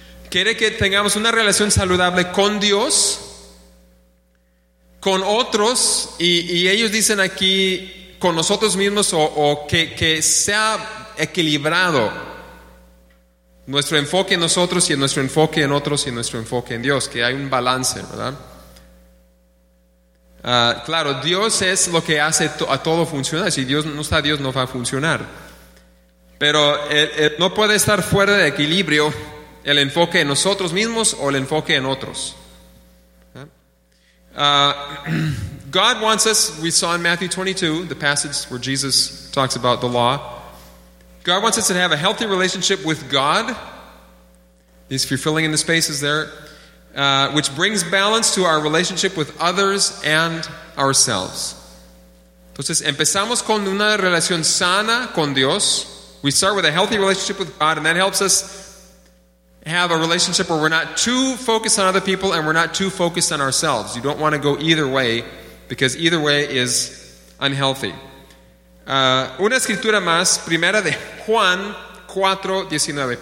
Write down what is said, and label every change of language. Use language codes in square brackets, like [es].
[es] Quiere que tengamos una relación saludable con Dios, con otros, y ellos dicen aquí con nosotros mismos, o que sea equilibrado nuestro enfoque en nosotros y en nuestro enfoque en otros y en nuestro enfoque en Dios, que hay un balance, ¿verdad? Claro, Dios es lo que hace a todo funcionar. Si Dios no está, Dios no va a funcionar. Pero no puede estar fuera de equilibrio el enfoque en nosotros mismos o el enfoque en otros. [en] God wants us, we saw in Matthew 22, the passage where Jesus talks about the law. God wants us to have a healthy relationship with God. If you're filling in the spaces there. Which brings balance to our relationship with others and ourselves. [es] Entonces, empezamos con una relación sana con Dios. [en] We start with a healthy relationship with God, and that helps us have a relationship where we're not too focused on other people and we're not too focused on ourselves. You don't want to go either way, because either way is unhealthy. [es] Una escritura más, Primera de Juan 4:19.